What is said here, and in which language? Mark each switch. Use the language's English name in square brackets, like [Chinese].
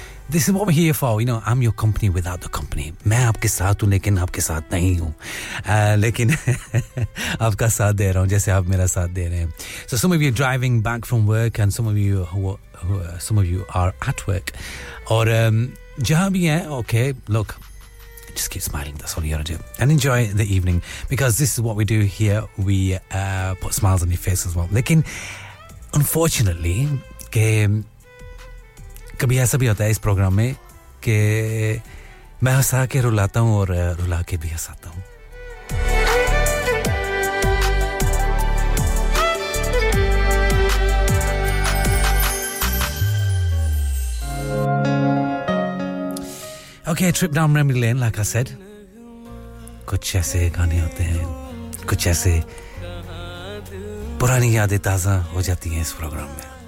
[English] This is what we're here for, you know. I'm your company without the company. [Hindi] मैं आपके साथ हूँ लेकिन आपके साथ नहीं हूँ. लेकिन आपका साथ दे रहा हूँ जैसे आप मेरा साथ दे रहे हैं. [English] So some of you are driving back from work, and some of you are at work. [Hindi] और जहाँ भी हैं, [English] okay, look, just keep smiling. That's all you gotta do, and enjoy the evening because this is what we do here. We put smiles on your face as well. [Hindi] लेकिन [English] unfortunately, [Hindi] के कभी ऐसा भी होता है इस प्रोग्राम में कि मैं हंसा के रुलाता हूँ और रुला के भी हंसाता हूँ. [English] Okay, trip down memory lane, like I said. [Hindi] कुछ ऐसे गाने होते हैं, कुछ ऐसे पुरानी यादें ताज़ा हो जाती हैं इस प्रोग्राम में.